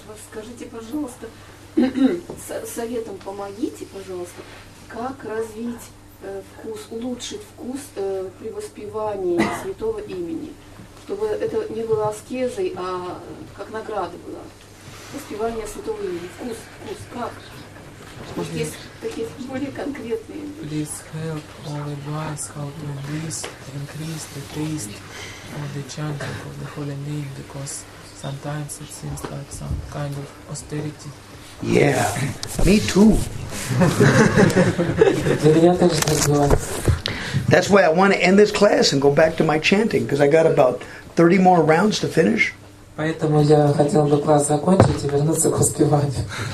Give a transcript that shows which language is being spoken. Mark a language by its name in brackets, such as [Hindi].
[Russian] Скажите, пожалуйста, советом помогите, пожалуйста, как развить вкус, улучшить вкус при воспевании святого имени, чтобы это не было аскезой, а как награда была. Воспевание святого имени. Вкус, как? Может, есть такие более конкретные? [English] Please help all of us how to increase the taste of the chanting of the holy name, because sometimes it seems like some kind of austerity. Yeah, me too. That's why I want to end this class and go back to my chanting, because I got about 30 more rounds to finish. [Russian] Поэтому я хотел бы класс закончить и вернуться к успеванию.